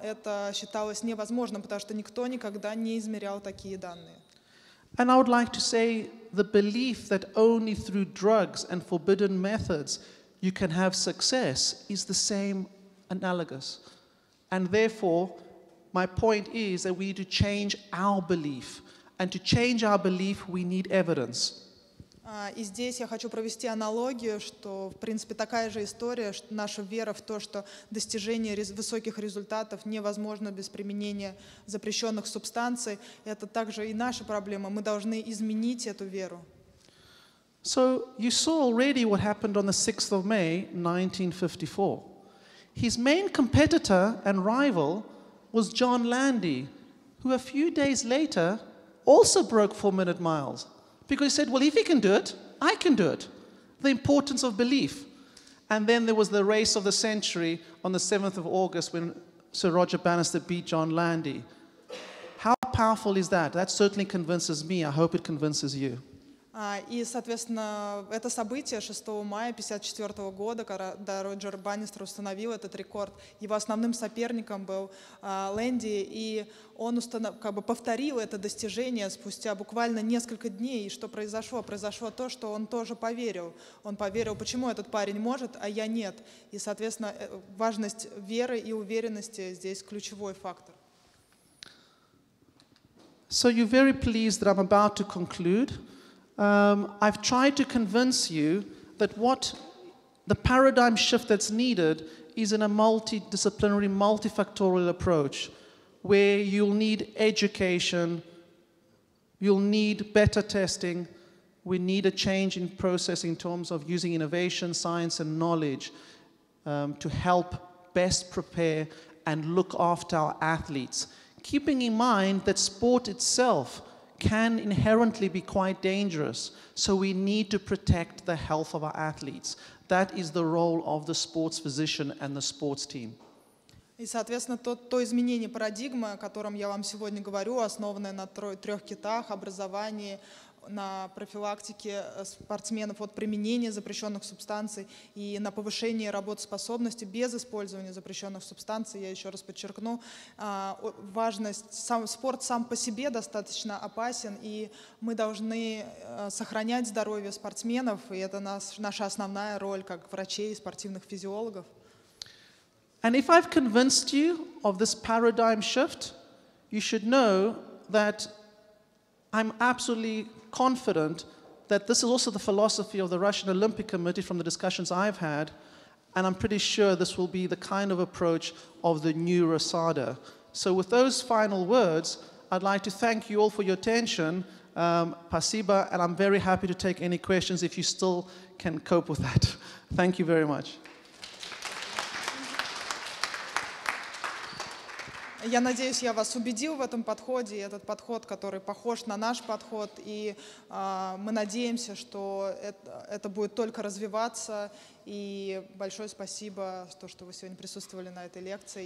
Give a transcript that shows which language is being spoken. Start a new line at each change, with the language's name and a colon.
Russian: Это считалось невозможным, потому что никто никогда не измерял такие данные.
English: And I would like to say the belief that only through drugs and forbidden methods you can have success is the same analogous. And therefore, my point is that we need to change our belief. And to change our belief, we need evidence.
Russian: И здесь я хочу провести аналогию, что, в принципе, такая же история, наша вера в то, что достижение высоких результатов невозможно без применения запрещенных субстанций. Это также и наша проблема. Мы должны изменить эту веру.
English: So you saw already what happened on the 6th of May, 1954. His main competitor and rival was John Landy, who a few days later also broke 4-minute miles. Because he said, well, if he can do it, I can do it. The importance of belief. And then there was the race of the century on the 7th of August when Sir Roger Bannister beat John Landy. How powerful is that? That certainly convinces me. I hope it convinces you.
Russian: И, соответственно, это событие 6 мая 1954 года, когда Роджер Баннистер установил этот рекорд. Его основным соперником был Лэнди, и он повторил это достижение спустя буквально несколько дней. И что произошло? Произошло то, что он тоже поверил. Он поверил, почему этот парень может, а я нет. И, соответственно, важность веры и уверенности здесь ключевой фактор.
English: So you're very pleased that I'm about to conclude. I've tried to convince you that what the paradigm shift that's needed is in a multidisciplinary, multifactorial approach where you'll need education, you'll need better testing, we need a change in process in terms of using innovation, science and knowledge to help best prepare and look after our athletes. Keeping in mind that sport itself can inherently be quite dangerous, so we need to protect the health of our athletes. That is the role of the sports physician and the sports team.
Russian: И, соответственно, то изменение парадигмы, о котором я вам сегодня говорю, основанное на трех китах, образовании, на профилактике спортсменов от применения запрещенных субстанций и на повышение работоспособности без использования запрещенных субстанций, я еще раз подчеркну, важность, сам спорт сам по себе достаточно опасен, и мы должны сохранять здоровье спортсменов, и это наша основная роль как врачей и спортивных физиологов.
English: And if I've convinced you of this paradigm shift, you should know that I'm absolutely confident that this is also the philosophy of the Russian Olympic Committee from the discussions I've had, and I'm pretty sure this will be the kind of approach of the new RASADA. So with those final words, I'd like to thank you all for your attention, Pasiba, and I'm very happy to take any questions if you still can cope with that. Thank you very much.
Russian: Я надеюсь, я вас убедил в этом подходе, этот подход, который похож на наш подход, и мы надеемся, что это будет только развиваться. И большое спасибо, что вы сегодня присутствовали на этой лекции.